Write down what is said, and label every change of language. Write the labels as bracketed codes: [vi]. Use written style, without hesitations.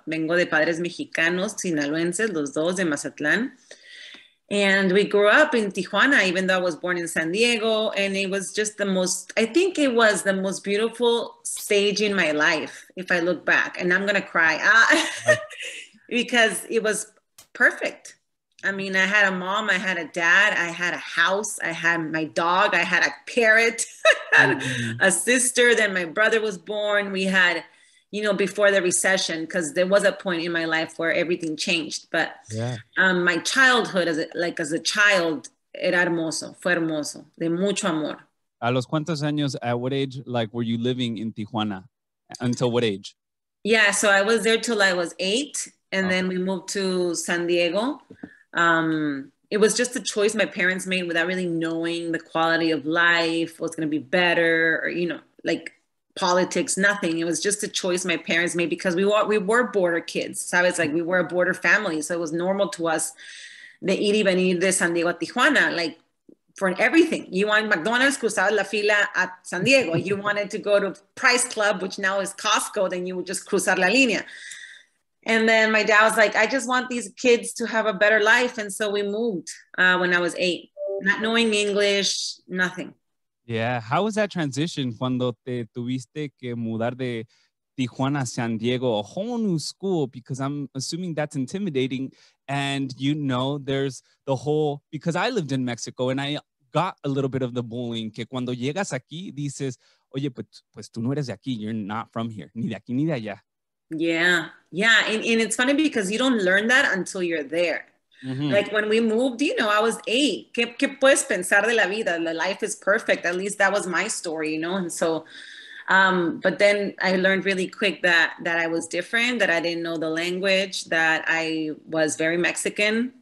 [es] Vengo de padres mexicanos, sinaloenses, los dos de Mazatlán. [en] And we grew up in Tijuana, even though I was born in San Diego. And it was just the most, I think it was the most beautiful stage in my life, if I look back. And I'm going to cry. because it was perfect. I mean, I had a mom, I had a dad, I had a house, I had my dog, I had a parrot, a sister, then my brother was born. We had, you know, before the recession, because there was a point in my life where everything changed. But yeah. My childhood, as a child, [es] era hermoso, fue hermoso, de mucho amor. ¿A los cuántos años, [en] at what age, like, were you living in Tijuana? Until what age? Yeah, so I was there till I was 8, and then we moved to San Diego. It was just a choice my parents made without really knowing the quality of life, what's going to be better, or, you know, like politics, nothing. It was just a choice my parents made because we were border kids. So I was like, we were a border family. So it was normal to us, the [es] ir y venir de San Diego a Tijuana, [en] like for everything. You want McDonald's, [es] cruzabas la fila [en] at San Diego. You wanted to go to Price Club, which now is Costco, then you would just [es] cruzar la línea. [en] And then my dad was like, I just want these kids to have a better life. And so we moved when I was 8, not knowing English, nothing. Yeah. How was that transition [es] cuando te tuviste que mudar de Tijuana a San Diego, [en] a whole new school? Because I'm assuming that's intimidating. And, you know, there's the whole, because I lived in Mexico and I got a little bit of the bullying. [es] Que cuando llegas aquí, dices, oye, pues tú no eres de aquí. [en] You're not from here. [es] Ni de aquí, ni de allá. [en] Yeah. And it's funny because you don't learn that until you're there. Mm-hmm. Like when we moved, you know, I was 8. [es] ¿Qué puedes pensar de la vida? [en] The life is perfect. At least that was my story, you know? And so, but then I learned really quick that I was different, that I didn't know the language, that I was very Mexican.